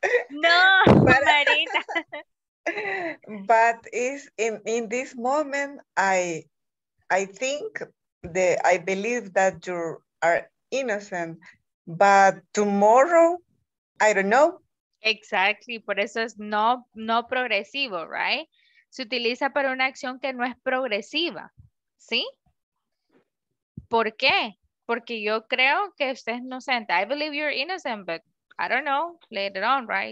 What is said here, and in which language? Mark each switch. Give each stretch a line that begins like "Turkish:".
English: No, but, Marina. But is in this moment, I think that I believe that you are innocent, but tomorrow, I don't know. Exactly,
Spanish: por eso es no progresivo,
English: right?
Spanish: Se utiliza para una acción que no es progresiva, ¿sí? ¿Por qué? Porque yo creo que usted es inocente.
English: I believe you're innocent, but I don't know, later on, right?